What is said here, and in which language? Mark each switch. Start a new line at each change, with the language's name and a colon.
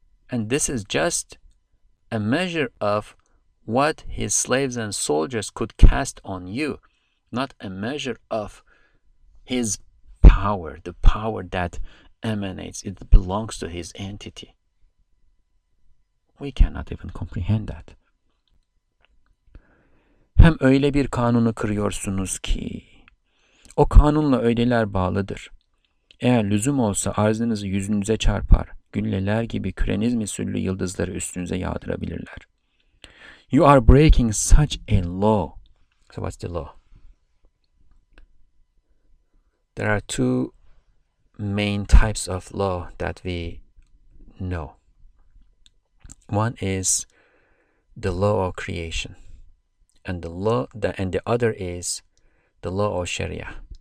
English: And this is just a measure of what his slaves and soldiers could cast on you, not a measure of his power, the power that emanates, it belongs to his entity. We cannot even comprehend that.
Turkish: Hem öyle bir kanunu kırıyorsunuz ki, o kanunla öyleler bağlıdır. Eğer lüzum olsa arzınızı yüzünüze çarpar, gülleler gibi küreniz misüllü yıldızları üstünüze yağdırabilirler.
English: You are breaking such a law. So what's the law? There are two main types of law that we know. One is the law of creation. And the other is the law of Sharia.